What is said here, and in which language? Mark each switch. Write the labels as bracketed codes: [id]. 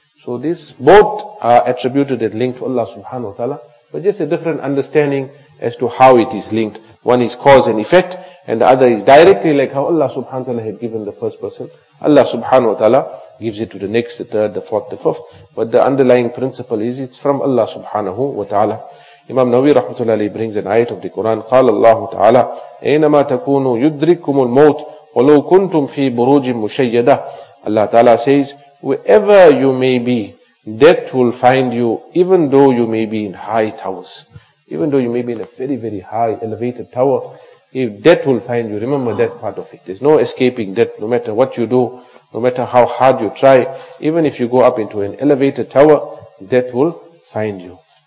[en] So these both are attributed and linked to Allah subhanahu wa ta'ala, but just a different understanding as to how it is linked. One is cause and effect, and the other is directly like how Allah subhanahu wa ta'ala had given the first person. Allah subhanahu wa ta'ala gives it to the next, the third, the fourth, the fifth. But the underlying principle is it's from Allah subhanahu wa ta'ala. Imam Nawawi rahmatullahi alayhi brings an ayat of the Quran. [ar] قال الله تعالى أينما تكونوا يدرككم الموت ولو كنتم في بروج مشيدة. [en] Allah ta'ala says, wherever you may be, death will find you, even though you may be in high towers. Even though you may be in a very, very high, elevated tower, if death will find you, remember that part of it. There's no escaping death, no matter what you do, no matter how hard you try, even if you go up into an elevated tower, death will find you.